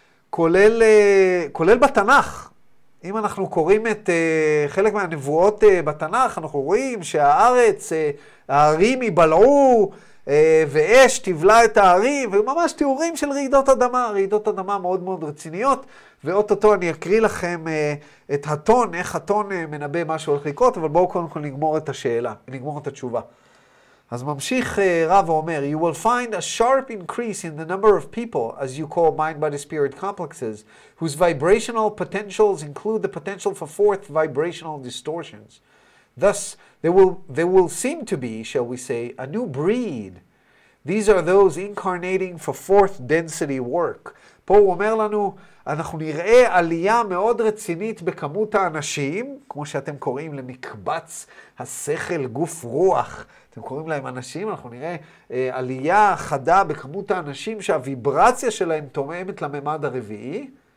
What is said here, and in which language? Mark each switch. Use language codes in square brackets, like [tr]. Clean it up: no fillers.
[he] כולל בתנך, אם אנחנו קוראים את חלק מהנבואות בתנך, אנחנו רואים שהארץ, הערים יבלעו, ואש תבלע את הערים, וממש תיאורים של רעידות אדמה, רעידות אדמה מאוד מאוד רציניות, ואוטוטו אני אקריא לכם את הטון, איך הטון מנבא מה שהולך לקרות, אבל בואו קודם כל נגמור את השאלה, נגמור את התשובה. אז ממשיך רב ואומר, [en] you will find a sharp increase in the number of people, as you call mind-body-spirit complexes, whose vibrational potentials include the potential for fourth vibrational distortions. Thus, there will seem to be, shall we say, a new breed. These are those incarnating for fourth density work. [he] פה הוא אומר לנו, אנחנו נראה עלייה מאוד רצינית בכמות האנשים, כמו שאתם קוראים למקבץ השכל גוף רוח. אתם קוראים להם אנשים, אנחנו נראה עלייה חדה בכמות האנשים שהוויברציה שלהם תומעת לממד הרביעי.